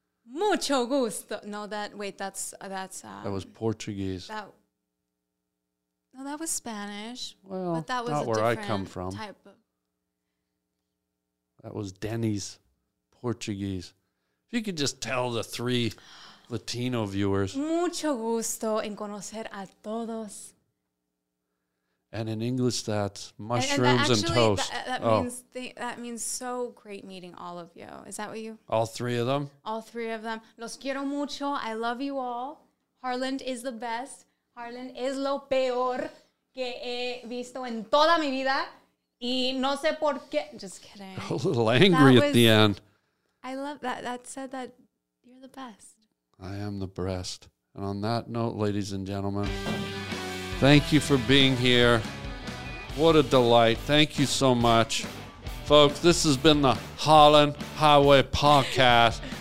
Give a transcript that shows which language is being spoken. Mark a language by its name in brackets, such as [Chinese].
[Spanish] Mucho gusto. No, [English] that's. That was Portuguese. That was Spanish. Well, but that was not a where I come from. Type of, That was Denny's Portuguese. If you could just tell the three Latino viewers. [Spanish] Mucho gusto en conocer a todos. [English] And in English, that's mushrooms and toast. That means so great meeting all of you. Is that what you? All three of them? All three of them. [Spanish] Los quiero mucho. [English] I love you all. Harlan is the best. [Spanish] Harlan es lo peor que he visto en toda mi vida. Y no sé por qué. [English] Just kidding. A little angry at the end. I love that. That said that you're the best. I am the best. And on that note, ladies and gentlemen, thank you for being here. What a delight. Thank you so much. Folks, this has been the Harlan Highway Podcast.